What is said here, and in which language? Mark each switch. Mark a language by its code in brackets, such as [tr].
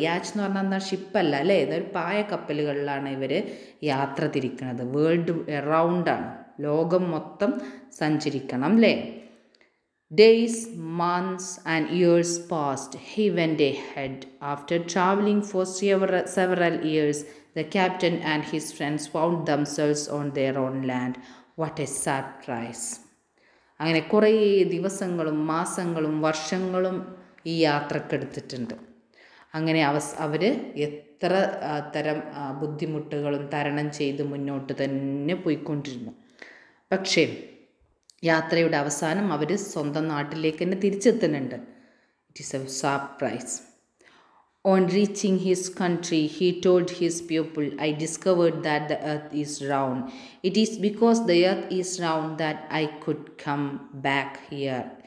[ml] Yacht എന്ന് പറഞ്ഞാൽ എന്താ, ഷിപ്പല്ല അല്ലേ, ഇതൊരു പായക്കപ്പലുകളിലാണ് ഇവർ യാത്ര തിരിക്കുന്നത്. വേൾഡ് എറൗണ്ടാണ്, ലോകം മൊത്തം സഞ്ചരിക്കണം അല്ലേ. [en] Days, months and years past. He went ahead after travelling for several years. The captain and his friends found themselves on their own land. What a surprise. [ml] അങ്ങനെ കുറേ ദിവസങ്ങളും മാസങ്ങളും വർഷങ്ങളും ഈ യാത്രക്കെടുത്തിട്ടുണ്ട്. അങ്ങനെ അവർ എത്ര തരം ബുദ്ധിമുട്ടുകളും തരണം ചെയ്ത് മുന്നോട്ട് തന്നെ പോയിക്കൊണ്ടിരുന്നു. പക്ഷേ യാത്രയുടെ അവസാനം അവർ സ്വന്തം നാട്ടിലേക്ക് തന്നെ തിരിച്ചെത്തുന്നുണ്ട്. [en] It is a surprise. On reaching his country, he told his people, I discovered that the earth is round. It is because the earth is round that I could come back here.